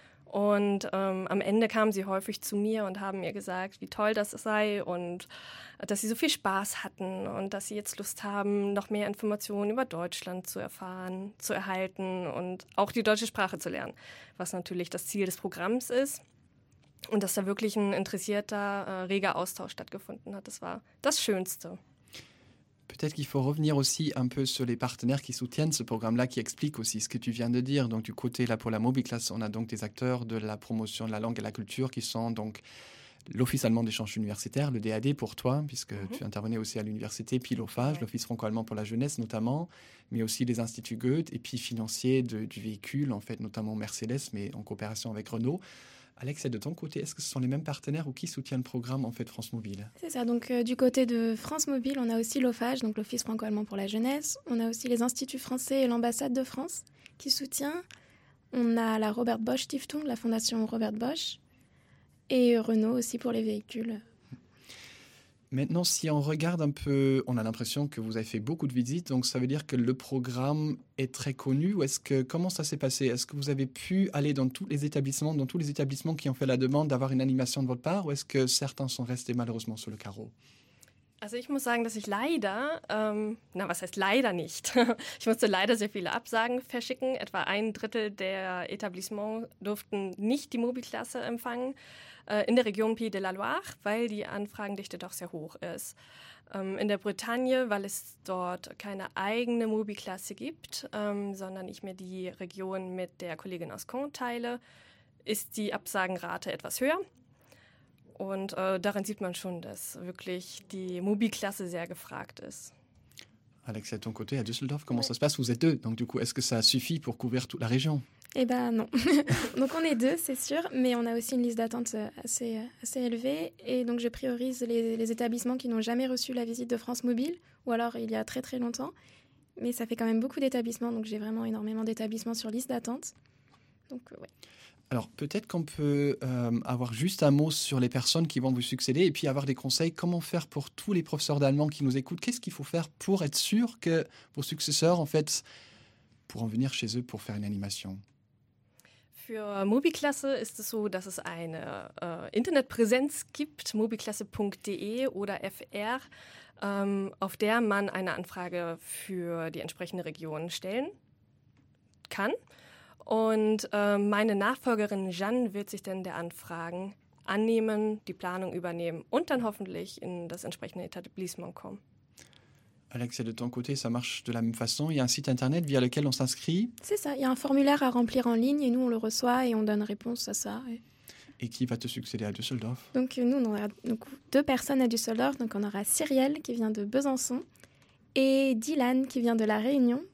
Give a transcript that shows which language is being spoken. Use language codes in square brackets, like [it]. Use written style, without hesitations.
[de] Und am Ende kamen sie häufig zu mir und haben mir gesagt, wie toll das sei und dass sie so viel Spaß hatten und dass sie jetzt Lust haben, noch mehr Informationen über Deutschland zu erfahren, zu erhalten und auch die deutsche Sprache zu lernen, was natürlich das Ziel des Programms ist. Und dass da wirklich ein interessierter, reger Austausch stattgefunden hat, das war das Schönste. [fr] Peut-être qu'il faut revenir aussi un peu sur les partenaires qui soutiennent ce programme-là, qui expliquent aussi ce que tu viens de dire. Donc du côté, là, pour la MobiClass, on a donc des acteurs de la promotion de la langue et la culture qui sont donc l'Office allemand d'échange universitaire, le DAD pour toi, puisque tu intervenais aussi à l'université, puis l'OFAGE, l'Office franco-allemand pour la jeunesse notamment, mais aussi les instituts Goethe et puis financiers du véhicule, en fait, notamment Mercedes, mais en coopération avec Renault. Alex, de ton côté, est-ce que ce sont les mêmes partenaires ou qui soutient le programme en fait France Mobile? C'est ça, donc du côté de France Mobile, on a aussi l'OFAGE, donc l'Office franco-allemand pour la jeunesse. On a aussi les instituts français et l'ambassade de France qui soutient. On a la Robert Bosch Stiftung, la fondation Robert Bosch, et Renault aussi pour les véhicules. Maintenant, si on regarde un peu, on a l'impression que vous avez fait beaucoup de visites, donc ça veut dire que le programme est très connu, ou est-ce que, comment ça s'est passé? Est-ce que vous avez pu aller dans tous les établissements, qui ont fait la demande d'avoir une animation de votre part, ou est-ce que certains sont restés malheureusement sur le carreau? [de] Also ich muss sagen, dass ich leider, na was heißt leider nicht, ich musste leider sehr viele Absagen verschicken, etwa ein Drittel der Etablissements durften nicht die Mobiklasse empfangen, in der Region Pays de la Loire, weil die Anfragendichte doch sehr hoch ist. In der Bretagne, weil es dort keine eigene Mobiklasse gibt, sondern ich mir die Region mit der Kollegin aus Caen teile, ist die Absagenrate etwas höher. Und daran sieht man schon, dass wirklich die Mobiklasse sehr gefragt ist. [fr] Alex, à ton côté, à Düsseldorf, comment ça se passe? Vous êtes deux, donc du coup, est-ce que ça suffit pour couvrir toute la région? Eh ben non. Donc on est deux, c'est sûr, mais on a aussi une liste d'attente assez élevée. Et donc je priorise les établissements qui n'ont jamais reçu la visite de France Mobile, ou alors il y a très très longtemps. Mais ça fait quand même beaucoup d'établissements, donc j'ai vraiment énormément d'établissements sur liste d'attente. Donc ouais. Alors peut-être qu'on peut avoir juste un mot sur les personnes qui vont vous succéder et puis avoir des conseils. Comment faire pour tous les professeurs d'allemand qui nous écoutent? Qu'est-ce qu'il faut faire pour être sûr que vos successeurs, en fait, pourront venir chez eux pour faire une animation? [de] Für Mobiklasse ist es so, dass es eine Internetpräsenz gibt, mobiklasse.de oder fr, auf der man eine Anfrage für die entsprechende Region stellen kann. Und meine Nachfolgerin Jeanne wird sich dann der Anfragen annehmen, die Planung übernehmen und dann hoffentlich in das entsprechende Etablissement kommen. [fr] Alex, de ton côté, ça marche de la même façon? Il y a un site internet via lequel on s'inscrit? C'est ça, il y a un formulaire à remplir en ligne et nous on le reçoit et on donne réponse à ça. Et, qui va te succéder à Düsseldorf? Donc nous, on aura donc, deux personnes à Düsseldorf. Donc on aura Cyrielle qui vient de Besançon et Dylan qui vient de La Réunion.